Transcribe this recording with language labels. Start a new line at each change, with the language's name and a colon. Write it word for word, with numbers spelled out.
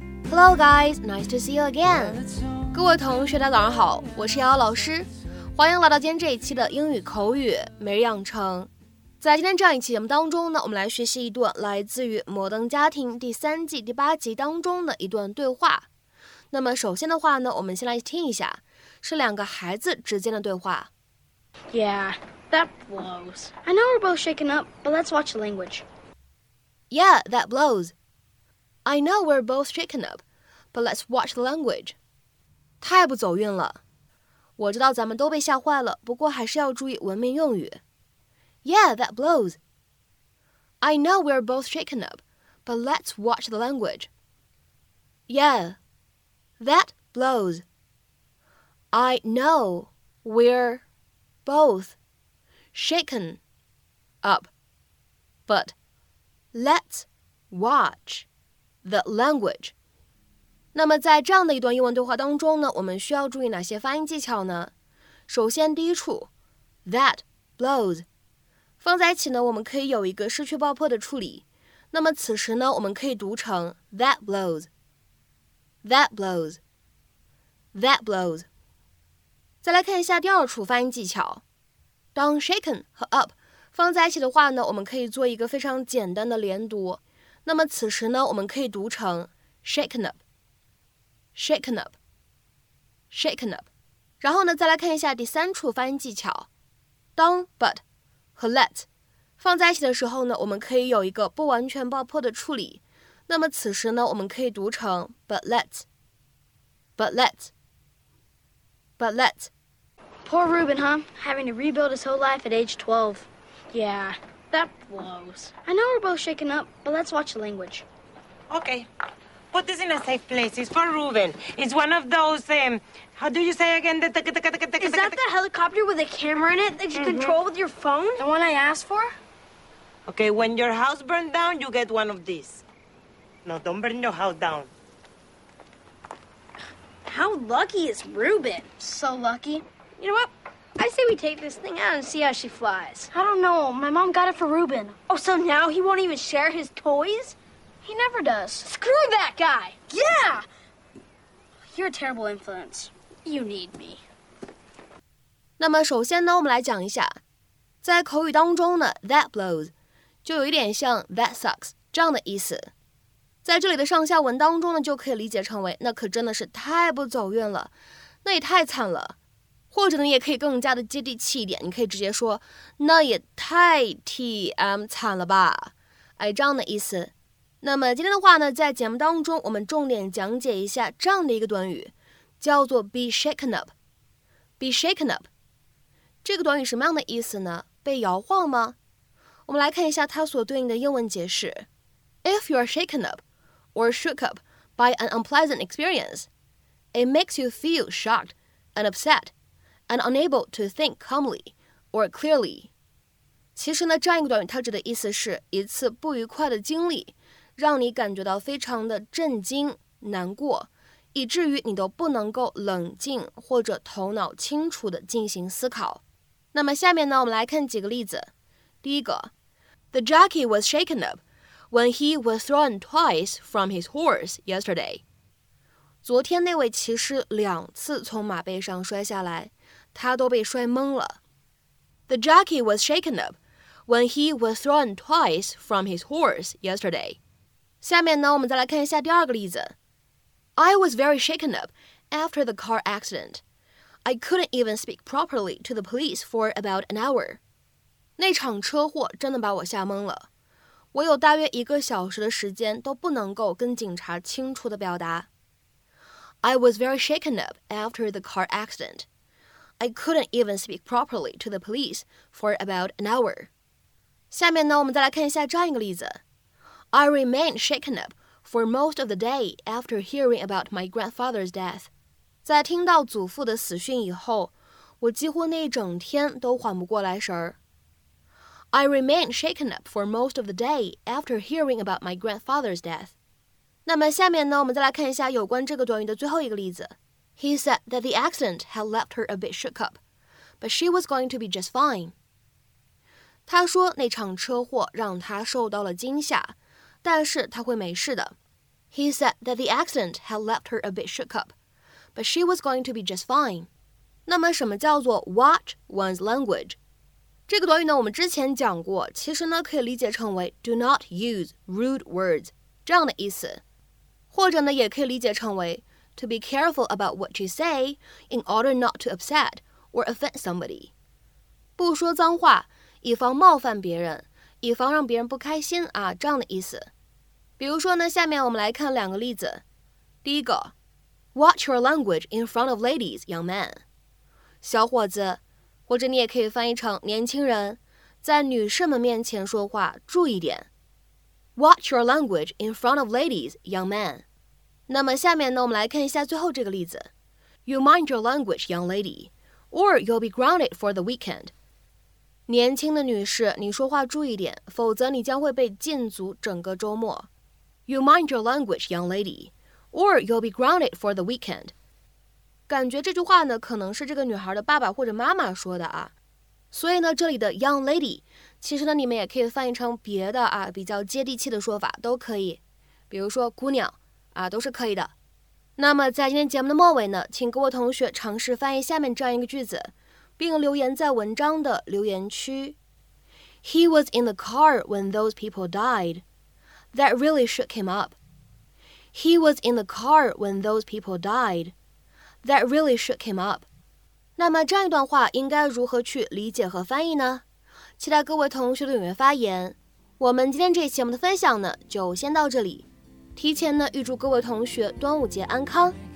English: Hello guys, nice to see you again.
Chinese: 各位同学，大家早上好，我是瑶瑶老师，欢迎来到今天这一期的英语口语每日养成。在今天这样一期节目当中呢，我们来学习一段来自于《摩登家庭》第三季第八集当中的一段对话。那么首先的话呢，我们先来听一下，是两个孩子之间的对话。
English: Yeah, that blows. I know we're both shaken up, but let's watch the language. Yeah, that blows. I know we're both shaken up, but let's watch the language.
Chinese: 太不走运了。我知道咱们都被吓坏了，不过还是要注意文明用语。
English: Yeah, that blows. I know we're both shaken up, but let's watch the language. Yeah, that blows. I know we're both shaken up, but let's watch. The language.
Chinese: 那么在这样的一段英文对话当中呢，我们需要注意哪些发音技巧呢？首先第一处
English: that blows
Chinese: 放在一起呢，我们可以有一个失去爆破的处理。那么此时呢，我们可以读成
English: that blows, that blows, that blows。
Chinese: 再来看一下第二处发音技巧，当 shaken 和 up 放在一起的话呢，我们可以做一个非常简单的连读。那么此时呢，我们可以读成
English: shaken up, shaken up, shaken up。
Chinese: 然后呢，再来看一下第三处发音技巧，当 but 和 let 放在一起的时候呢，我们可以有一个不完全爆破的处理。那么此时呢，我们可以读成
English: but let, but let, but let。 Poor Reuben, huh? Having to rebuild his whole life at age twelve. Yeah. That blows. I know we're both shaken up, but let's watch the language. Okay. Put this in a safe place. It's for Reuben. It's one of those, um, how do you say again? Is that the helicopter with a camera in it that you mm-hmm. control with your phone? The one I asked for? Okay, when your house burns down, you get one of these. No, don't burn your house down. How lucky is Reuben? So lucky. You know what? I say we take this thing out and see how she flies. I don't know. My mom got it for Reuben. Oh, so now he won't even share his toys? He never does. Screw that guy. Yeah! You're a terrible influence. You need me.
Chinese: 那么首先呢，我们来讲一下，在口语当中呢
English: that blows
Chinese: 就有一点像
English: that sucks
Chinese: 这样的意思。在这里的上下文当中呢，就可以理解成为那可真的是太不走运了，那也太惨了。或者呢，也可以更加的接地气一点，你可以直接说那也太 T M 惨了吧，哎，这样的意思。那么今天的话呢，在节目当中我们重点讲解一下这样的一个短语，叫做
English: be shaken up。 be shaken up
Chinese: 这个短语什么样的意思呢？被摇晃吗？我们来看一下它所对应的英文解释。
English: If you are shaken up or shook up by an unpleasant experience, it makes you feel shocked and upset and unable to think calmly or clearly.
Chinese: 其实呢，这样一个短语它指的意思是一次不愉快的经历让你感觉到非常的震惊难过，以至于你都不能够冷静或者头脑清楚地进行思考。那么下面呢，我们来看几个例子。第一个
English: The jockey was shaken up when he was thrown twice from his horse yesterday.
Chinese: 昨天那位骑士两次从马背上摔下来，他都被摔懵了。
English: The jockey was shaken up when he was thrown twice from his horse yesterday.
Chinese: 下面呢，我们再来看一下第二个例子。
English: I was very shaken up after the car accident. I couldn't even speak properly to the police for about an hour.
Chinese: 那场车祸真的把我吓懵了，我有大约一个小时的时间都不能够跟警察清楚地表达。
English: I was very shaken up after the car accident. I couldn't even speak properly to the police for about an hour.
Chinese: 下面呢，我们再来看一下这样一个例子。
English: I remained shaken up for most of the day after hearing about my grandfather's death.
Chinese: 在听到祖父的死讯以后，我几乎那一整天都缓不过来神儿。
English: I remained shaken up for most of the day after hearing about my grandfather's death.
Chinese: 那么下面呢，我们再来看一下有关这个短语的最后一个例子。
English: He said that the accident had left her a bit shook up, but she was going to be just fine.
Chinese: 他说那场车祸让她受到了惊吓，但是她会没事的。
English: He said that the accident had left her a bit shook up, but she was going to be just fine.
Chinese: 那么什么叫做
English: watch one's language?
Chinese: 这个短语呢，我们之前讲过，其实呢可以理解成为
English: do not use rude words
Chinese: 这样的意思，或者呢也可以理解成为
English: to be careful about what you say in order not to upset or offend somebody.
Chinese: 不说脏话，以防冒犯别人，以防让别人不开心啊，这样的意思。比如说呢，下面我们来看两个例子。第一个
English: ，Watch your language in front of ladies, young man.
Chinese: 小伙子，或者你也可以翻译成年轻人，在女士们面前说话注意点。
English: Watch your language in front of ladies, young man.
Chinese: 那么下面呢，我们来看一下最后这个例子。
English: You mind your language, young lady, or you'll be grounded for the weekend.
Chinese: 年轻的女士，你说话注意点，否则你将会被禁足整个周末。 You mind your language, young lady, or you'll be grounded for the weekend. 感觉这句话呢，可能是这个女孩的爸爸或者妈妈说的啊。所以呢，这里的
English: young lady，
Chinese: 其实呢，你们也可以翻译成别的啊，比较接地气的说法都可以，比如说姑娘啊，都是可以的。那么在今天节目的末尾呢，请各位同学尝试翻译下面这样一个句子。并留言在文章的留言区。
English: He was in the car when those people died. That really shook him up. He was in the car when those people died. That really shook him up.
Chinese: 那么这样一段话应该如何去理解和翻译呢？期待各位同学的踊跃发言。我们今天这期节目的分享呢，就先到这里。提前呢，预祝各位同学端午节安康。